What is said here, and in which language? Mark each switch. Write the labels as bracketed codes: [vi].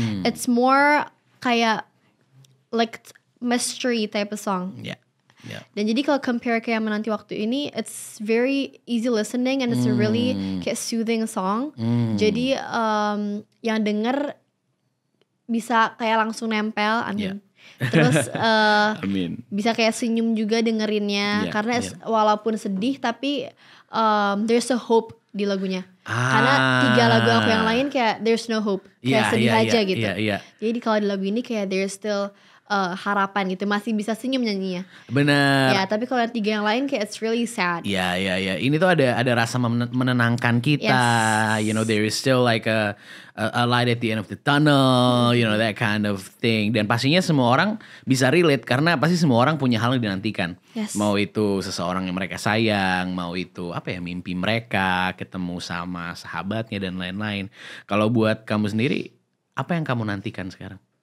[en] It's more kayak like mystery type of song. [id] Dan jadi kalau compare kayak Menanti Waktu ini, [en] it's very easy listening and it's a really kayak soothing song. [id] Jadi yang denger bisa kayak langsung nempel. Terus bisa kayak senyum juga dengerinnya. Karena walaupun sedih tapi [en] there's a hope [id] di lagunya. Karena tiga lagu aku yang lain kayak [en] there's no hope, [id] kayak sedih aja gitu. Jadi kalau di lagu ini kayak [en] there's still [id] harapan gitu, masih bisa senyum nyanyinya. Benar. Ya, tapi kalau yang tiga yang lain kayak [en] it's really sad. [id] Ya. Ini tuh ada rasa menenangkan kita. [en] You know, there is still like a light at the end of the tunnel, you know, that kind of thing. [id] Dan pastinya semua orang bisa relate karena pasti semua orang punya hal yang dinantikan. Mau itu seseorang yang mereka sayang, mau itu apa ya, mimpi mereka, ketemu sama sahabatnya dan lain-lain. Kalau buat kamu sendiri, apa yang kamu nantikan sekarang?